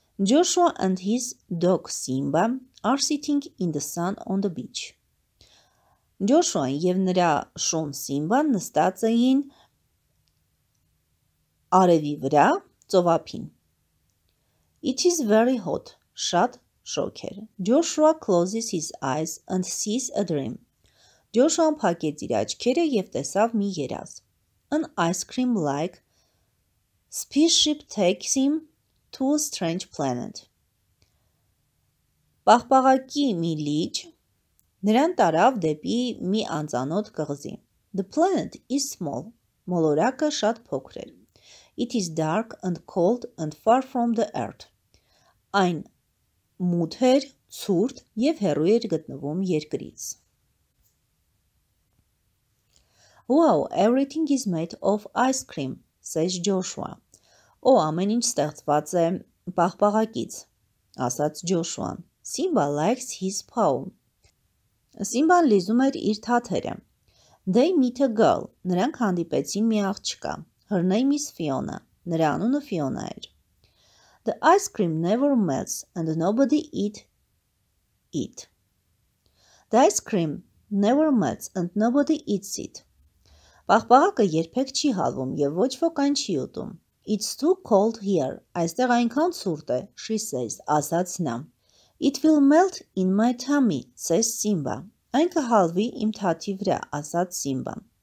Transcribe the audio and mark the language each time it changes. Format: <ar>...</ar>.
<en>Joshua and his dog Simba are sitting in the sun on the beach.</en> <hy>Joshua-ն եւ նրա շուն Simba-ն նստած էին արևի վրա ծովափին.</hy> <en>It is very hot.</en> <hy>Շատ շոգ էր.</hy> <en>Joshua closes his eyes and sees a dream.</en> <hy>Joshua-ն փակեց իր աչքերը եւ տեսավ մի երազ.</hy> <en>An ice cream like spaceship takes him to a strange planet.</en> <hy>Պաղպաղակի մի լիճ նրան տարավ դեպի մի անծանոթ կղզի.</hy> <en>The planet is small.</en> <hy>Մոլորակը շատ փոքր էր.</hy> <en>It is dark and cold and far from the earth.</en> <hy>Այն մութ էր, ցուրտ եւ հեռու էր գտնվում երկրից.</hy> <en>Wow, everything is made of ice cream, says Joshua.</en> <hy>Օ, ամեն ինչ ստեղծված է պաղպաղակից, ասաց Joshua-ն.</hy> <en>Simba likes his paw.</en> <hy>Սիմբան լիզում էր իր թաթերը.</hy> <en>They meet a girl.</en> <hy>Նրանք հանդիպեցին մի աղջկա.</hy> <en>Her name is Fiona.</en> <hy>Նրա անունը Fiona էր.</hy> <en>The ice cream never melts and nobody eats it. The ice cream never melts and nobody eats it.</en> <hy>Պաղպաղակը երբեք չի հալվում եւ ոչ ոք այն չի ուտում.</hy> <en>It's too cold here.</en> <hy>Այստեղ այնքան ցուրտ է,</hy> <en>she says,</en> <hy>ասաց նա.</hy> <en>It will melt in my tummy, says Simba.</en> <hy>Այն կհալվի իմ թաթի վրա, ասաց Սիմբան.</hy>